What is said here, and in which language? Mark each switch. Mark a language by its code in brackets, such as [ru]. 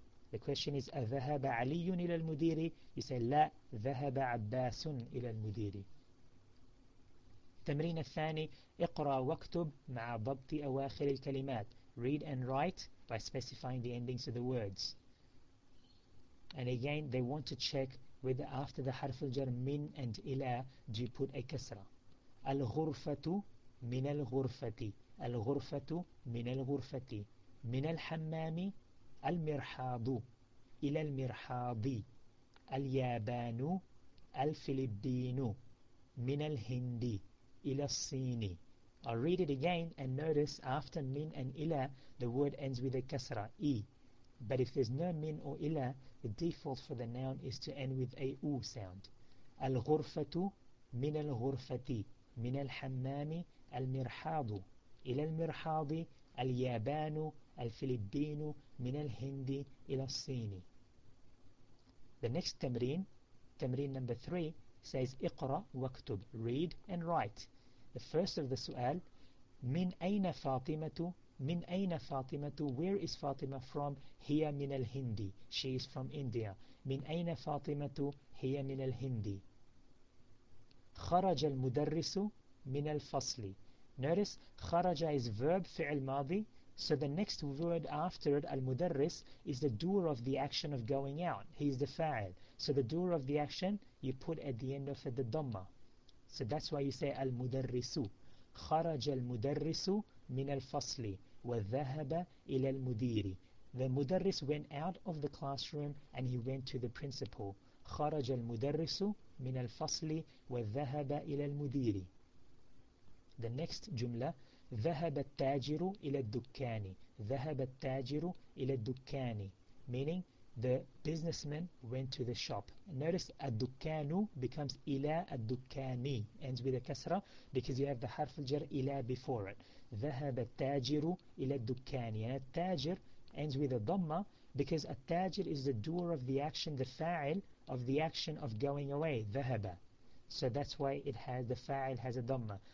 [en] The question is, [ar] أَذَهَبَ عَلِيٌّ إِلَى الْمُدِيرِ? [en] You say, [ar] لَا ذَهَبَ عَبَّاسٌ إِلَى الْمُدِيرِ. تمرين الثاني, اقرأ واكتب مع ضبط أواخر الكلمات. [en] Read and write by specifying the endings of the words. And again, they want to check whether after the حرف الجر من and إلى, do you put a كسرة. [ar] الغرفة من الغرفة. الغرفة من الغرفة. من الحمام المرحاض إلى المرحاض اليابان الفلبين من الهند إلى الصين. [en] I'll read it again and notice after min and ila the word ends with a kasra e. But if there's no min or ila, the default for the noun is to end with a u sound. [ar] الغرفة من الغرفة من الحمام المرحاض إلى المرحاض اليابان الفلبين من الهند إلى الصين. [en] The next تمرين, تمرين number 3, says [ar] اقرأ واكتب. [en] Read and write. The first of the سؤال, [ar] من أين فاطمة? من أين فاطمة? [en] Where is فاطمة from? [ar] هي من الهند. [en] She is from India. [ar] من أين فاطمة? هي من الهند. خرج المدرس من الفصل. [en] Notice, خرج is verb [ar] فعل ماضي. [en] So the next word after it, al-mudarris, is the doer of the action of going out. He is the fa'il. So the doer of the action, you put at the end of it the dhamma. So that's why you say al-mudarrisu. [ar] خرج المدرس من الفصل وذهب إلى المدير. [en] The mudarris went out of the classroom and he went to the principal. [ar] خرج المدرس من الفصل وذهب إلى المدير. [en] The next jumla, [ar] ذهب التاجر إلى الدكان. ذهب التاجر إلى الدكان. [en] Meaning, the businessman went to the shop. Notice, الدكان becomes إلى الدكان. Ends with a كسرة because you have the حرف الجر إلى before it. [ar] ذهب التاجر إلى الدكان. [en] And التاجر ends with a ضمة because التاجر is the doer of the action, the فاعل of the action of going away. [ar] ذهب. [en] So that's why it has the fa'il has a dhamma.